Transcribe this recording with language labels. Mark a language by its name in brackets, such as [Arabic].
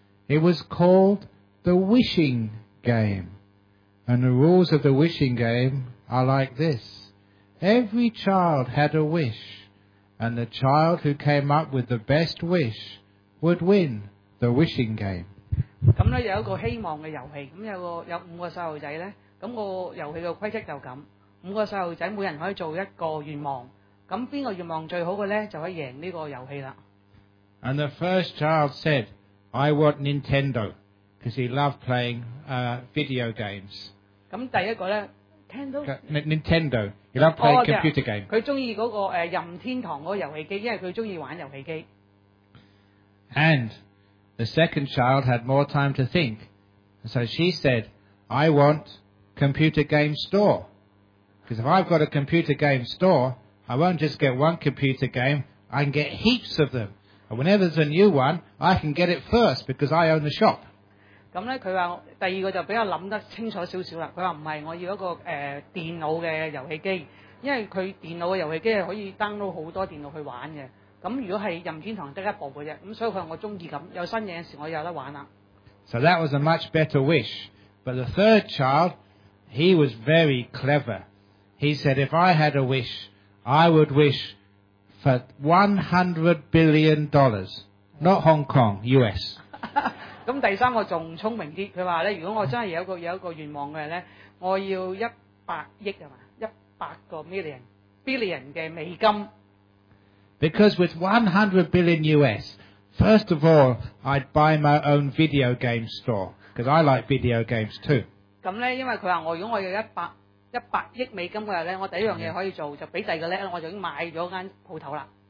[English] It was called the wishing game. And the rules of the wishing game are like this. Every child had a wish, and the child who came up with the best wish would win the wishing game. [Cantonese] 咁呢有一个希望嘅游戏，咁有五个小孩仔呢，咁个游戏嘅规则就咁。五个小孩仔每人可以做一个愿望。咁边个愿望最好嘅咧，就可以赢呢个游戏啦。 [English] And the first child said, "I want Nintendo, because he loved playing video games." [Cantonese] 咁第一个咧 [English] ，Nintendo， he loved playing computer games。 [Cantonese] 佢中意嗰个任天堂嗰个游戏机，因为佢中意玩游戏机。 [English] And the second child had more time to think, so she said, "I want computer game store, because if I've got a computer game store." I won't just get one computer game, I can get heaps of them. And whenever there's a new one, I can get it first because I own the shop. [Cantonese] 咁呢佢話第二個就比較諗得清楚少少啦。佢話唔係，我要一個電腦嘅遊戲機，因為佢電腦嘅遊戲機係可以 download 好多電腦去玩嘅。咁如果係任天堂得一部嘅啫，咁所以佢話我鍾意咁，有新嘢嘅時候我有得玩啦。 [English] So that was a much better wish. But the third child, he was very clever. He said, if I had a wish,I would wish for $100 billion, not Hong Kong, US. [Cantonese] 咁第三個仲聰明啲，佢話咧，如果我真係有一個願望嘅咧，我要100亿係嘛， [English] 100 billion [Cantonese] 嘅美金。 [English] Because with $100 billion, first of all, I'd buy my own video game store, because I like video games too. [Cantonese] 咁咧，因為佢話我如果我要100亿美金嘅咧，我第一样嘢可以做就俾第二个叻，我就已经买咗间铺头啦。